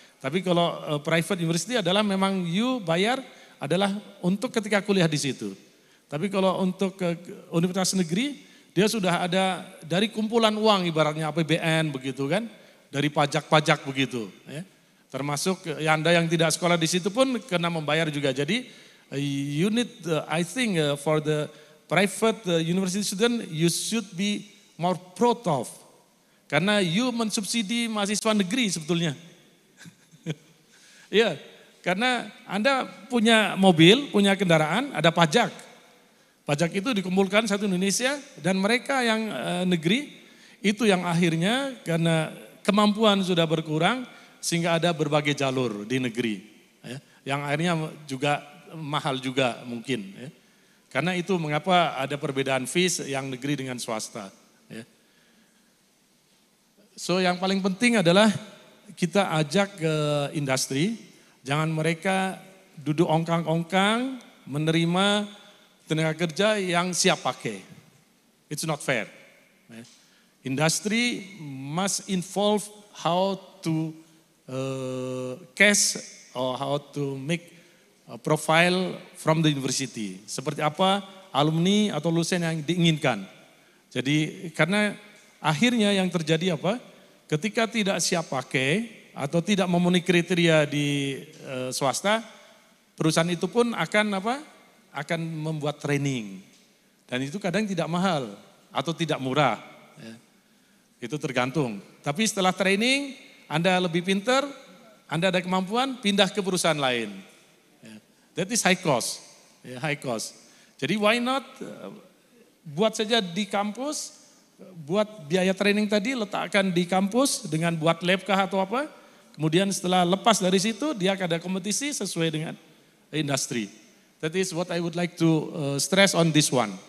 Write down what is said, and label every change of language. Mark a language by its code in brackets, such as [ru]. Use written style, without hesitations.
[id] Tapi kalau private university adalah memang you bayar adalah untuk ketika kuliah di situ. Tapi kalau untuk universitas negeri, dia sudah ada dari kumpulan uang ibaratnya APBN begitu kan, dari pajak-pajak begitu. Ya. Termasuk ya Anda yang tidak sekolah di situ pun kena membayar juga. [en] Jadi you need, I think for the private university student, you should be more proud of. [id] Karena you mensubsidi mahasiswa negeri sebetulnya. Iya, karena Anda punya mobil, punya kendaraan, ada pajak. Pajak itu dikumpulkan satu Indonesia dan mereka yang negeri, itu yang akhirnya karena kemampuan sudah berkurang, sehingga ada berbagai jalur di negeri. Ya, yang akhirnya juga mahal juga mungkin. Ya. Karena itu mengapa ada perbedaan fees yang negeri dengan swasta. Ya. So yang paling penting adalah kita ajak ke industri, jangan mereka duduk ongkang-ongkang menerima tenaga kerja yang siap pakai. [en] It's not fair. Industri must involve how to cast or how to make a profile from the university. [id] Seperti apa alumni atau lulusan yang diinginkan. Jadi karena akhirnya yang terjadi apa? Ketika tidak siap pakai atau tidak memenuhi kriteria di swasta, perusahaan itu pun akan apa? Akan membuat training. Dan itu kadang tidak mahal atau tidak murah. Itu tergantung. Tapi setelah training, Anda lebih pintar, Anda ada kemampuan, pindah ke perusahaan lain. [en] That is high cost. High cost. [id] Jadi [en] why not [id] buat saja di kampus, buat biaya training tadi, letakkan di kampus dengan buat lab kah atau apa. Kemudian setelah lepas dari situ, dia akan ada kompetisi sesuai dengan industri. [en] That is what I would like to stress on this one.